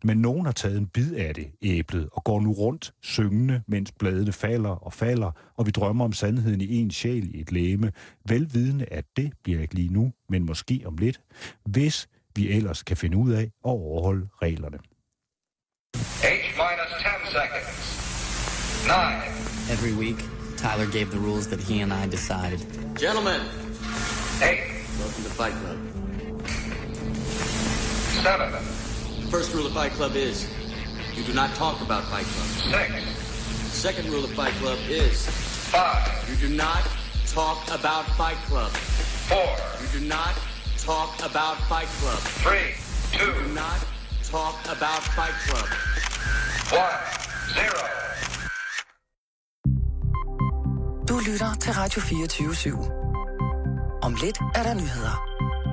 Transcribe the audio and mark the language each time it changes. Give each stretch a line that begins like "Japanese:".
Danish: Men nogen har taget en bid af det, æblet, og går nu rundt, syngende, mens bladene falder og falder, og vi drømmer om sandheden i en sjæl i et legeme, velvidende at det bliver ikke lige nu, men måske om lidt, hvis vi ellers kan finde ud af at overholde reglerne.
English: H-10 seconds. 9. Every week, Tyler gave the rules that he and I decided. Gentlemen. 8. Welcome to Fight Club. 7. The first rule of Fight Club is, you do not talk about Fight Club. The second rule of Fight Club is, 5. You do not talk about Fight Club. 4. You do not talk about Fight Club. 3. 2. You do not talk about Fight Club. 1-0.
Danish: Du lytter til Radio 24/7. Om lidt er der nyheder.